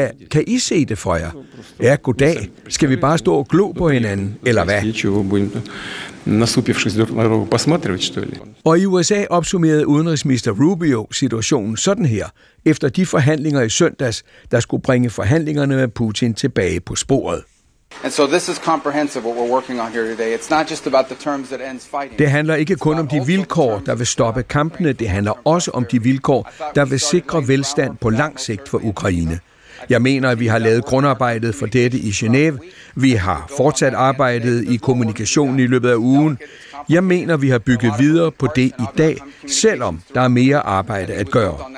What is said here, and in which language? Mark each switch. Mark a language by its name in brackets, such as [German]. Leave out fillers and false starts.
[Danish] Kan I se det for jer? Ja, goddag. Skal vi bare stå og glo på hinanden, eller hvad? Og i USA opsummerede udenrigsminister Rubio situationen sådan her, efter de forhandlinger i søndags, der skulle bringe forhandlingerne med Putin tilbage på sporet. [English] And so this is comprehensive what we're working on here today. It's not just about the terms that ends fighting. [Danish] Det handler ikke kun om de vilkår, der vil stoppe kampene. Det handler også om de vilkår, der vil sikre velstand på lang sigt for Ukraine. Jeg mener, at vi har lavet grundarbejdet for dette i Genève. Vi har fortsat arbejdet i kommunikationen i løbet af ugen. Jeg mener, vi har bygget videre på det i dag, selvom der er mere arbejde at gøre.